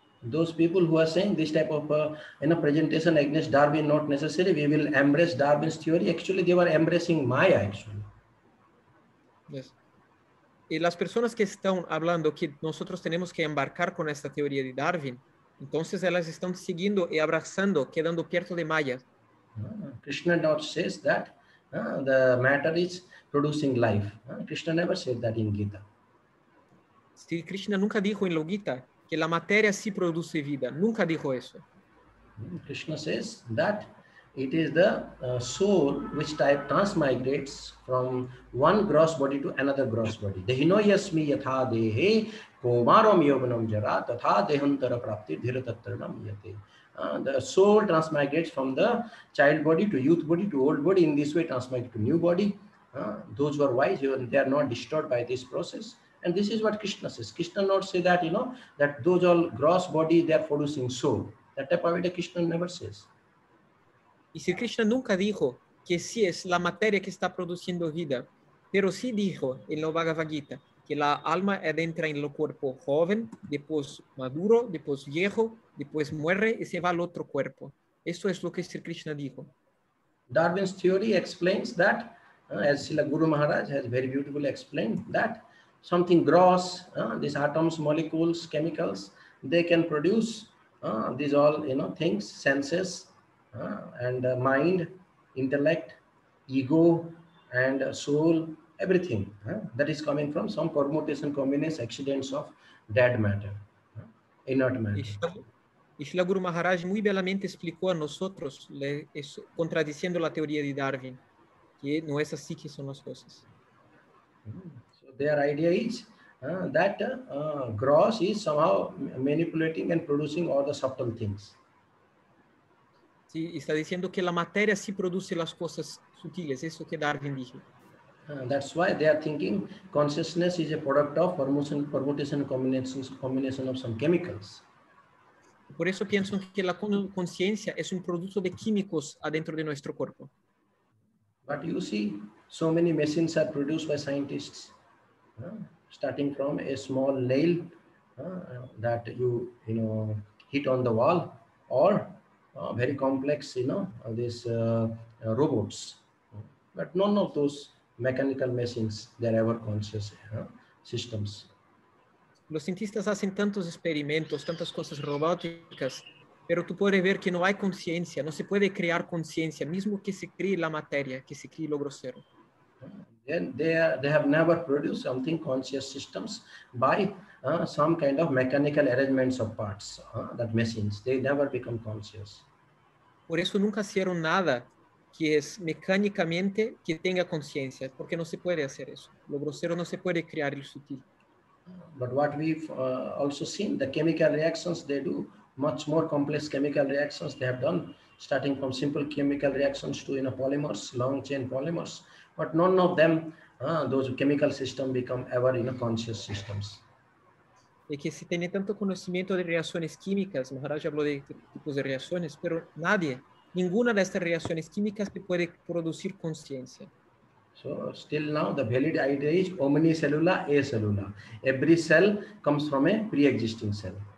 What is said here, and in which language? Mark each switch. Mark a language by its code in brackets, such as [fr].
[en] Those people who are saying this type of in a presentation against Darwin not necessary, we will embrace Darwin's theory. Actually, they were embracing Maya, actually. Yes. [es] Y las personas que están hablando que nosotros tenemos que embarcar con esta teoría de Darwin, entonces ellas están siguiendo y abrazando, quedando cierto de Maya. [en] Krishna not says that the matter is producing life. Krishna never said that in Gita. [es] Sri Krishna nunca dijo en la Gita que la materia sí produce vida. Nunca dijo eso. [en] Krishna says that it is the soul which transmigrates from one gross body to another gross body. [sa] Dehino yasmi yatha dehe komarom yovanam jara tatha dehantara prapti dhiratattaranam yate. [en] The soul transmigrates from the child body to youth body to old body. In this way, transmigrates to new body. Those who are wise, they are not disturbed by this process. And this is what Krishna says. Krishna not say that, you know, that those all gross body, they are producing soul. That type of idea Krishna never says. [es] Y si Krishna nunca dijo que sí es la materia que está produciendo vida, pero sí dijo en la Bhagavad Gita que la alma entra en el cuerpo joven, después maduro, después viejo, después muere y se va al otro cuerpo. Eso es lo que Sri Krishna dijo. [en] Darwin's theory explains that, as Srila Guru Maharaj has very beautifully explained, that something gross, these atoms, molecules, chemicals, they can produce these all, you know, things, senses, and mind, intellect, ego, and soul, everything that is coming from some permutation, combination, accidents of dead matter, inert matter. [es] Y Srila Guru Maharaj muy bellamente explicó a nosotros, contradiciendo la teoría de Darwin, que no es así que son las cosas. [en] So their idea is that gross is somehow manipulating and producing all the subtle things. [es] Sí, está diciendo que la materia sí produce las cosas sutiles, eso que Darwin dijo. [en] That's why they are thinking consciousness is a product of permutation combination of some chemicals. [es] Por eso pienso que la conciencia es un producto de químicos adentro de nuestro cuerpo. [en] But you see, so many machines are produced by scientists, starting from a small nail that you hit on the wall, or very complex, you know, these robots, but none of those mechanical machines that ever conscious systems. [es] Los cientistas hacen tantos experimentos, tantas cosas robóticas, pero tú puedes ver que no hay conciencia, no se puede crear conciencia, mismo que se cree la materia, que se cree logro cero. [en] Then they have never produced something conscious systems by some kind of mechanical arrangements of parts, that machines, they never become conscious. [es] Por eso nunca hicieron nada que es mecánicamente que tenga conciencia, porque no se puede hacer eso. Lo grosero no se puede crear el sutil. [en] But what we've also seen, the chemical reactions they do, much more complex chemical reactions they have done, starting from simple chemical reactions to, you know, polymers, long chain polymers. But none of them, those chemical systems become ever, you know, conscious systems. [es] Y que si tiene tanto conocimiento de reacciones químicas, Maharaj habló de tipos de reacciones, pero nadie, ninguna de estas reacciones químicas te puede producir conciencia. [en] So still now the valid idea is omnicellular acellular. Every cell comes from a pre-existing cell.